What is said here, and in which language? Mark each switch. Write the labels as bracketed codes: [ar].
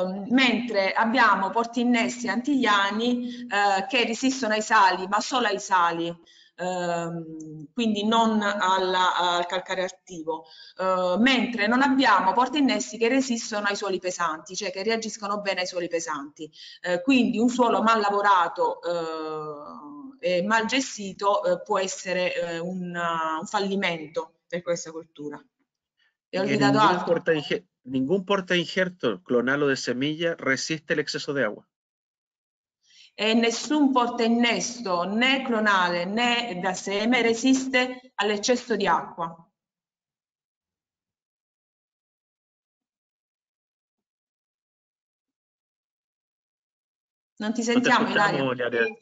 [it] mentre abbiamo porta innesti antigliani che resistono ai sali, ma solo ai sali, quindi non al calcare attivo, mentre non abbiamo porta innesti che resistono ai suoli pesanti, cioè che reagiscono bene ai suoli pesanti, quindi un suolo mal lavorato e mal gestito può essere un fallimento per questa coltura. E ho olvidato altro. [es] Ningún porta injerto clonalo de semilla resiste el exceso de agua. [it] E nessun porta innesto né clonale né da seme resiste all'eccesso di acqua. Non ti sentiamo, Ilaria? Sì,